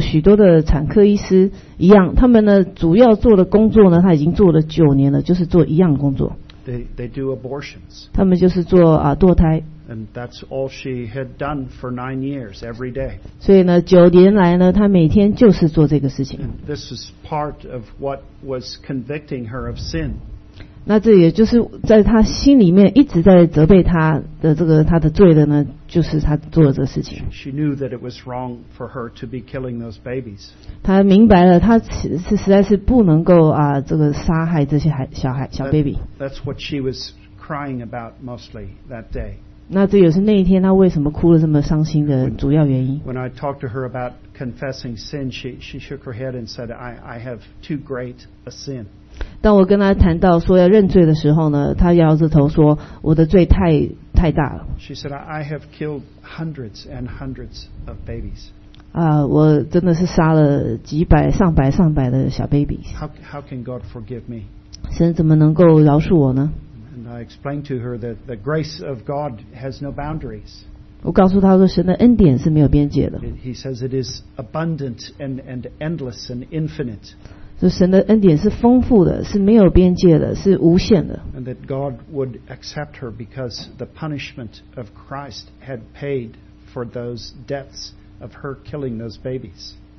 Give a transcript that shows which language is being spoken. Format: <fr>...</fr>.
<zh>那就如同在中国大陆许多的产科医师一样, 他们呢, 主要做的工作呢, 他已经做了9年了, 就是做一样工作。</zh> <en>They do abortions.</en> <zh>他们就是做, 啊, 堕胎。</zh> <en>And that's all she had done for 9 years, every day.</en> <zh>所以呢, 九年来呢, 她每天就是做这个事情。</zh> <en>And this is part of what was convicting her of sin.</en> <zh>那这也就是在她心里面一直在责备她的这个, 她的罪的呢, 就是她做了这个事情。</zh> <en>She knew that it was wrong for her to be killing those babies.</en> <zh>她明白了, 她实在是不能够, 啊, 这个杀害这些孩, 小 baby。</zh> <en>That's what she was crying about mostly that day.</en> <zh>那这也是那一天她为什么哭了这么伤心的主要原因。</zh> <en>When I talked to her about confessing sin, she shook her head and said, I have too great a sin.</en> <zh>当我跟她谈到说要认罪的时候呢, 她摇着头说, 我的罪太大了。</zh> <en>She said, I have killed hundreds and hundreds of babies.</en> <zh>啊, 我真的是杀了几百上百上百的小babies。</zh> <en>How can God forgive me?</en> <zh>神怎么能够饶恕我呢？</zh> <en>I explained to her that the grace of God has no boundaries.</en> <zh>我告诉她说神的恩典是没有边界的。</zh> <en>He says it is abundant and endless and infinite.</en> <zh>神的恩典是丰富的,是没有边界的,是无限的。</zh> <en>And that God would accept her because the punishment of Christ had paid for those debts of her killing those babies.</en>